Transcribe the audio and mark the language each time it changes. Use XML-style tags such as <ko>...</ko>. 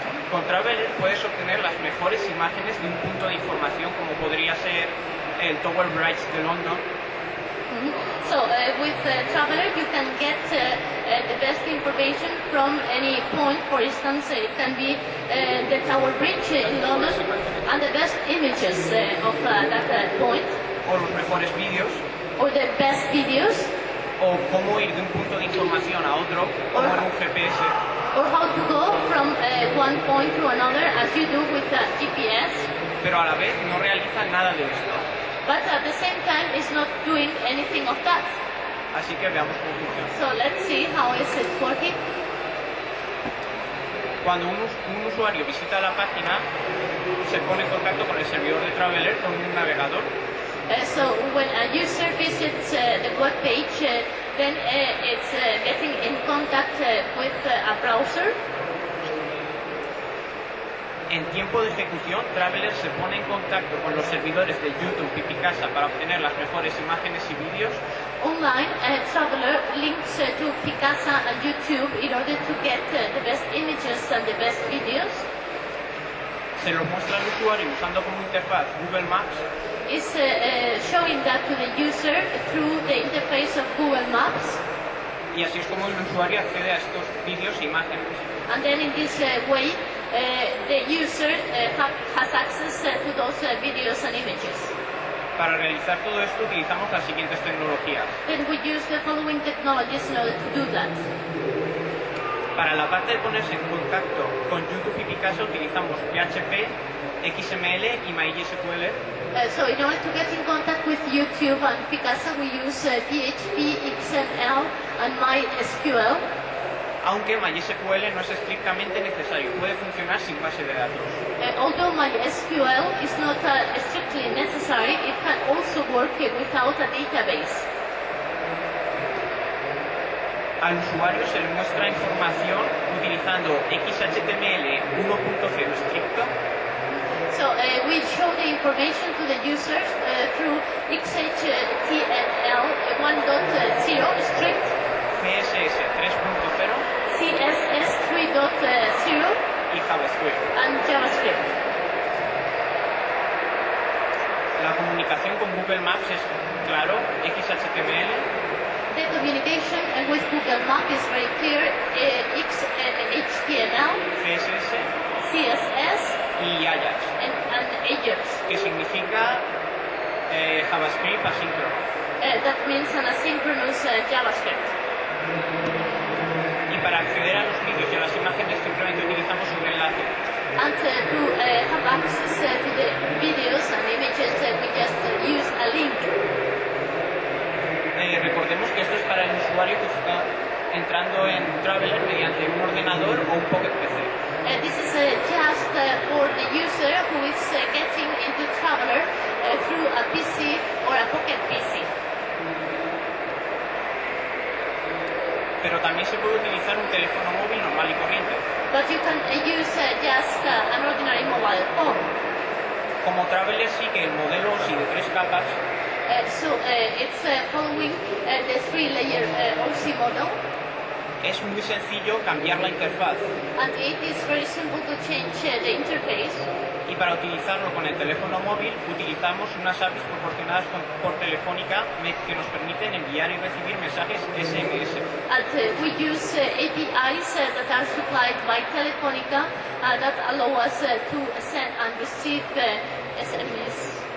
<es>Con Traveler puedes obtener las mejores imágenes de un punto de información como podría ser el Tower Bridge de London.</es> <en>So with Traveler you can get the best information from any point. For instance, it can be the Tower Bridge in London, and the best images of that point.</en> <es>O los mejores videos.</es> <en>Or the best videos.</en> <es>O cómo ir de un punto de información a otro, como en un GPS.</es> <en>Or how to go from one point to another, as you do with GPS.</en> <es>Pero a la vez no realiza nada de esto.</es> <en>But at the same time, it's not doing anything of that.</en> <es>Así que veamos cómo funciona.</es> <en>So let's see how is it working.</en> <es>Cuando un usuario visita la página, se pone en contacto con el servidor de Traveler, con un navegador.</es> <en>So when a user visits the web page, then it's getting in contact with a browser.</en> <es>En tiempo de ejecución, Traveler se pone en contacto con los servidores de YouTube y Picasa para obtener las mejores imágenes y vídeos.</es> <en>Online, Traveler links to Picasa and YouTube in order to get the best images and the best videos.</en> <es>Se lo muestra al usuario usando como interfaz Google Maps.</es> <en>It's showing that to the user through the interface of Google Maps.</en> <es>Y así es como el usuario accede a estos vídeos e imágenes.</es> <en>And then in this way, the user has access to those videos and images.</en> <es>Para realizar todo esto utilizamos las siguientes tecnologías.</es> <en>Then we use the following technologies in order to do that.</en> <es>Para la parte de ponerse en contacto con YouTube y Picasa utilizamos PHP, XML y MySQL.</es> <en>So in order to get in contact with YouTube and Picasa we use PHP, XML and MySQL.</en> <es>Aunque MySQL no es estrictamente necesario, puede funcionar sin base de datos.</es> <en>Although MySQL is not strictly necessary, it can also work without a database.</en> <es>Al usuario se le muestra información utilizando XHTML 1.0 estricto.</es> <en>So we show the information to the users through XHTML 1.0 strict.</en> <es>CSS 3.0.</es> <en>CSS 3.0</en> <es>y JavaScript.</es> <en>And JavaScript.</en> <es>La comunicación con Google Maps es claro, XHTML.</es> <en>The communication with Google Maps is very clear, XHTML.</en> <es>CSS.</es> <en>CSS.</en> <es>Y Ajax.</es> <en>And Ajax.</en> <es>Que significa JavaScript asíncrono.</es> <en>That means an asynchronous JavaScript.</en> <es>Y para acceder a los vídeos y a las imágenes simplemente utilizamos un enlace.</es> <en>And to have access to the videos and images, we just use a link.</en> <es>Recordemos que esto es para el usuario que está entrando en Traveler mediante un ordenador o un Pocket PC.</es> <en>This is just for the user who is getting into Traveler through a PC or a Pocket PC.</en> <es>pero también se puede utilizar un teléfono móvil normal y corriente.</es> <en>But you can use just an ordinary mobile phone.</en> <es>Como traveler sí que el modelo sí de tres capas.</es> <en>So it's following the three-layer OC model.</en> <es>Es muy sencillo cambiar la interfaz.</es> <en>And it is very simple to change the interface.</en> <es>Y para utilizarlo con el teléfono móvil utilizamos unas APIs proporcionadas por Telefónica que nos permiten enviar y recibir mensajes SMS.</es> <en>And we use APIs that are supplied by Telefónica that allow us to send and receive SMS.</en>